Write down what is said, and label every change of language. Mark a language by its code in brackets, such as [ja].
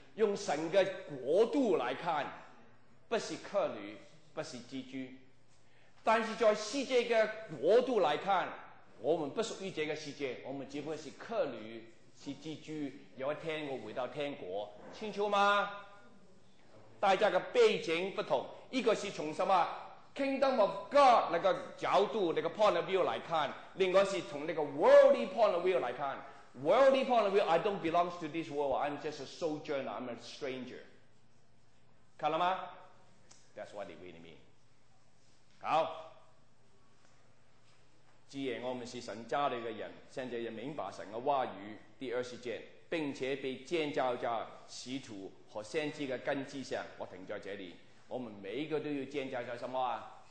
[zh] 用神的国度来看，不是客旅，不是寄居，但是在世界的国度来看，我们不属于这个世界，我们只不过是客旅，是寄居，有一天我回到天国，清楚吗？大家的背景不同，一个是从什么 Kingdom of God 那个角度，那个 point of view 来看，另外是从那个 [en] worldly point of view [zh] 来看。 [en] worldly point of view I don't belong to this world, I'm just a sojourner, I'm a stranger, [zh] 看了吗？ [en] That's what they really mean。 [zh] 好，既然我们是神家里的人，现在也明白神的话语。第二十节，并且被建造在使徒和先知的根基上。我停在这里，我们每一个都要建造在什么啊？